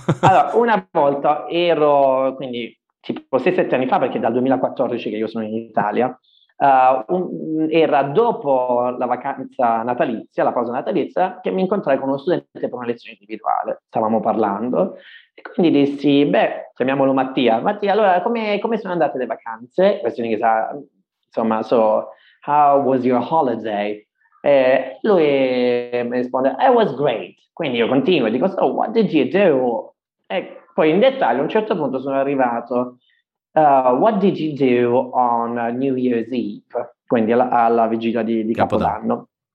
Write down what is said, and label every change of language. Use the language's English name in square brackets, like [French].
[Italian] Allora, una volta ero, quindi tipo 6-7 anni fa, perché è dal 2014 che io sono in Italia, era dopo la vacanza natalizia, la pausa natalizia, che mi incontrai con uno studente per una lezione individuale, stavamo parlando, e quindi dissi, beh, chiamiamolo Mattia, Mattia, allora come sono andate le vacanze? Questo in inglese, insomma, [English] so, how was your holiday? [Italian] Lui mi risponde, [English] it was great. [Italian] Quindi io continuo e dico, [English] so what did you do? [Italian] E poi in dettaglio, a un certo punto sono arrivato, [English] what did you do on New Year's Eve? [Italian] Quindi alla vigilia di Capodanno.